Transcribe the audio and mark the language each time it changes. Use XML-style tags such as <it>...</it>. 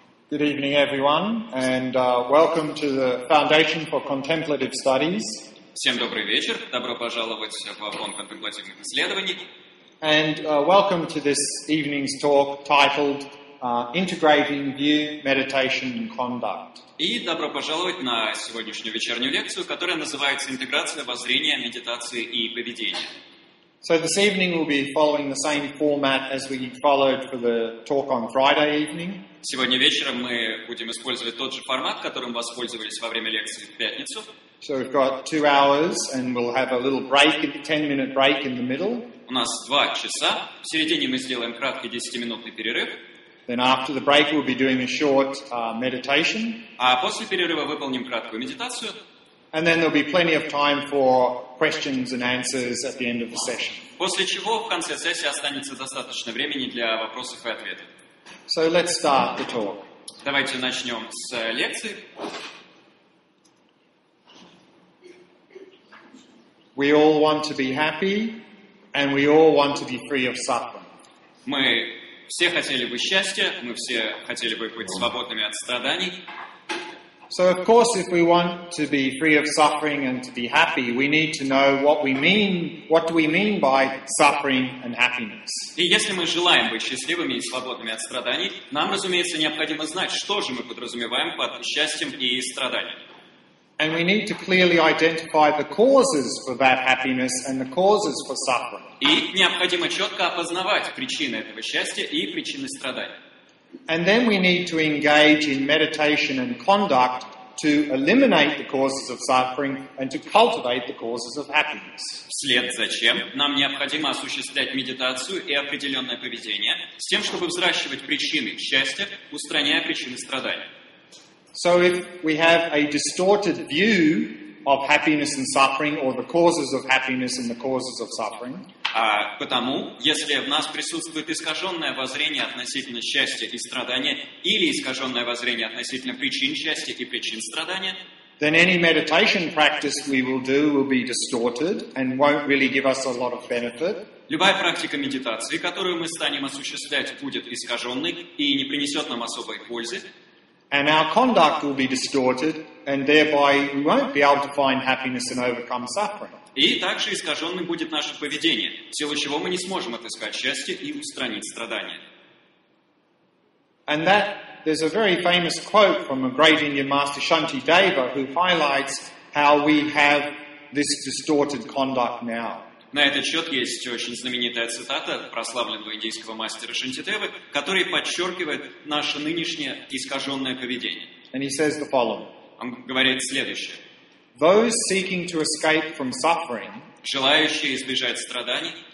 <en>Good evening, everyone, and welcome to the Foundation for Contemplative Studies.</en> <ru>Всем добрый вечер. Добро пожаловать в Фонд контемплативных исследований.</ru> <en>And welcome to this evening's talk titled Integrating View, Meditation and Conduct.</en> <ru>И добро пожаловать на сегодняшнюю вечернюю лекцию, которая называется «Интеграция воззрения, медитации и поведения».</ru> <en>So this evening we'll be following the same format as we followed for the talk on Friday evening.</en> <ru>Сегодня вечером мы будем использовать тот же формат, которым воспользовались во время лекции в пятницу.</ru> <en>So we've got 2 hours and we'll have a little break, a 10-minute break in the middle.</en> <ru>У нас 2 часа. В середине мы сделаем краткий 10-минутный перерыв.</ru> <en>Then after the break we'll be doing a short meditation.</en> <ru>А после перерыва выполним краткую медитацию.</ru> <en>And then there'll be plenty of time for questions and answers at the end of the session.</en> <ru>После чего в конце сессии останется достаточно времени для вопросов и ответов.</ru> <en>So let's start the talk.</en> <ru>Давайте начнем с лекции.</ru> <en>We all want to be happy, and we all want to be free of suffering.</en> <ru>Мы все хотели бы счастья, мы все хотели бы быть свободными от страданий.</ru> <en>So of course, if we want to be free of suffering and to be happy, we need to know what we mean. What do we mean by suffering and happiness?</en> <ru>И если мы желаем быть счастливыми и свободными от страданий, нам, разумеется, необходимо знать, что же мы подразумеваем под счастьем и страданием.</ru> <en>And we need to clearly identify the causes for that happiness and the causes for suffering.</en> <ru>И необходимо четко опознавать причины этого счастья и причины страданий.</ru> <en>And then we need to engage in meditation and conduct to eliminate the causes of suffering and to cultivate the causes of happiness.</en> <ru>Вслед за чем нам необходимо осуществлять медитацию и определенное поведение с тем, чтобы взращивать причины счастья, устраняя причины страданий.</ru> <en>So if we have a distorted view of happiness and suffering, or the causes of happiness and the causes of suffering.</en> <ru>Потому, если в нас присутствует искаженное воззрение относительно счастья и страдания, или искаженное воззрение относительно причин счастья и причин страдания,</ru> <en>then any meditation practice we will do will be distorted and won't really give us a lot of benefit.</en> <ru>Любая практика медитации, которую мы станем осуществлять, будет искаженной и не принесет нам особой пользы.</ru> <en>And our conduct will be distorted, and thereby we won't be able to find happiness and overcome suffering.</en> <ru>И также искаженным будет наше поведение, в силу чего мы не сможем отыскать счастье и устранить страдания.</ru> <en>And that there's a very famous quote from a great Indian master Shantideva, who highlights how we have this distorted conduct now.</en> <ru>На этот счет есть очень знаменитая цитата прославленного индийского мастера Шантидевы, который подчеркивает наше нынешнее искаженное поведение.</ru> <en>And he says the following.</en> <ru>Он говорит следующее.</ru> <en>Those seeking to escape from suffering,</en> <ru>желающие избежать страданий,</ru>